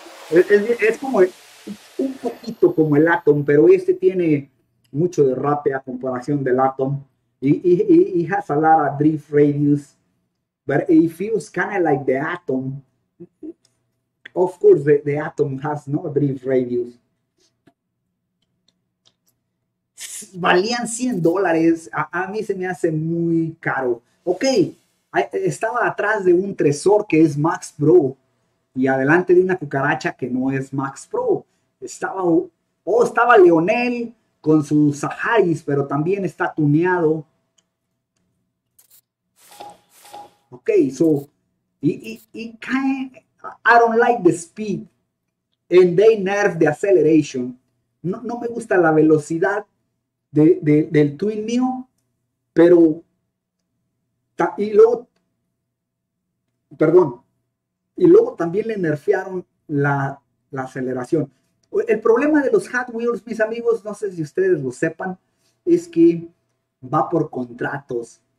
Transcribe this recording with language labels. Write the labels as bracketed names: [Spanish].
[Spanish] Es como un poquito como el Atom, pero este tiene mucho derrape a comparación del Atom. [English] Y it has a lot of drift radius, but it feels kind of like the Atom. Of course, the Atom has no drift radius. [Spanish] Valían $100. A mí se me hace muy caro. Ok. Estaba atrás de un tresor que es Max Pro y adelante de una cucaracha que no es Max Pro. Estaba Leonel con sus Saharis, pero también está tuneado. [English] Ok, so it kind of, I don't like the speed and they nerf the acceleration. [Spanish] No, no me gusta la velocidad del twin mío, pero y luego también le nerfearon la aceleración. El problema de los Hot Wheels, mis amigos, no sé si ustedes lo sepan, es que va por contratos.